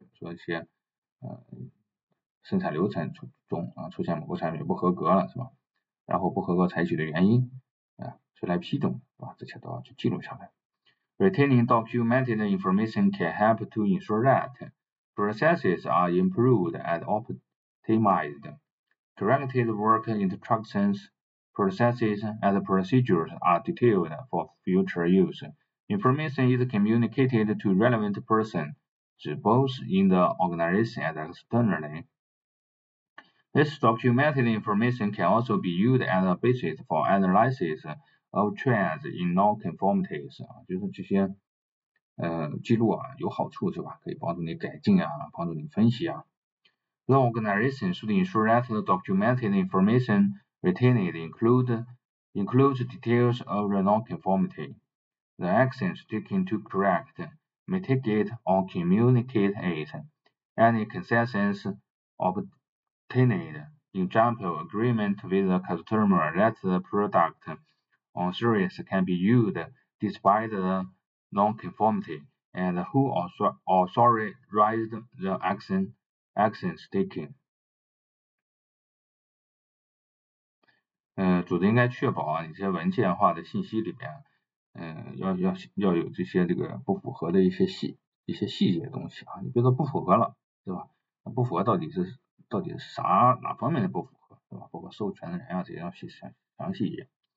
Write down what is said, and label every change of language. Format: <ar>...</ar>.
<zh>说一些生产流程中啊出现某个产品不合格了，是吧？然后不合格采取的原因啊，谁来批准，是吧？这些都要去记录下来。</zh> <en>Retaining documented information can help to ensure that processes are improved and optimized. Corrected work instructions, processes, and procedures are detailed for future use. Information is communicated to relevant persons, both in the organization and externally. This documented information can also be used as a basis for analysis of trends in non-conformities.</en> <zh>就是这些记录啊有好处是吧，可以帮助你改进啊，帮助你分析啊。</zh> <en>The organization should ensure that the documented information retained includes details of the non-conformity. The actions taken to correct, mitigate or communicate it. Any concessions obtained, example, agreement with the customer that the product or service can be used despite the non-conformity, and who authorized the actions taken.</en> <zh>组织应该确保啊，你这些文件化的信息里面，要有这些这个不符合的一些细节的东西啊。你别说不符合了，对吧？那不符合到底是啥哪方面的不符合，对吧？包括授权的人啊，这些要写详细一点。</zh>